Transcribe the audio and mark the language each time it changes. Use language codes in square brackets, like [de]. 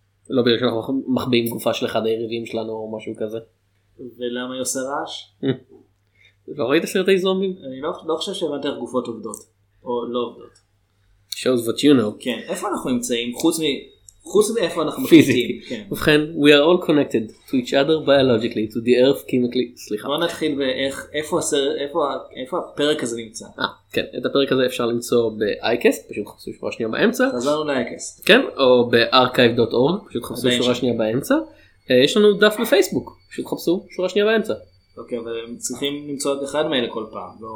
[he] לא בגלל שאנחנו מחביאים גופה של אחד היריבים שלנו או משהו כזה. ולמה היא עושה רעש? לא ראית סרטי זומבים? אני לא חושב שהבנת איך גופות עובדות. או לא עובדות. [en] Shows what you know. [he] כן, איפה אנחנו נמצאים? חוץ מאיפה אנחנו מקליטים. [en] ובכן, we are all connected to each other biologically, to the earth chemically. [he] סליחה. בוא נתחיל באיפה הפרק הזה נמצא. כן, את הפרק הזה אפשר למצוא ב-iCast, פשוט חפשו שורה שנייה באמצע. חזרנו ל-iCast. כן, או ב-archive.org, פשוט חפשו שורה שנייה באמצע. יש לנו דף בפייסבוק, פשוט חפשו שורה שנייה באמצע. אוקיי, אבל הם צריכים למצוא את אחד מאלה כל פעם.